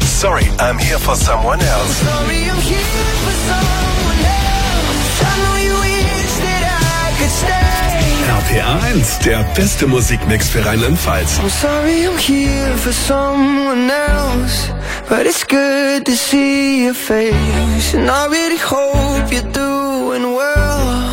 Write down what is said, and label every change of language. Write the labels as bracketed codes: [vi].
[en] Sorry, I'm here for someone else. Sorry, I'm here for someone else. I know you wish that I could stay. [de] RPA1, der beste Musikmix für Rheinland-Pfalz. [en] I'm sorry, I'm here for someone else. But it's good to see your face. And I really hope you're doing well.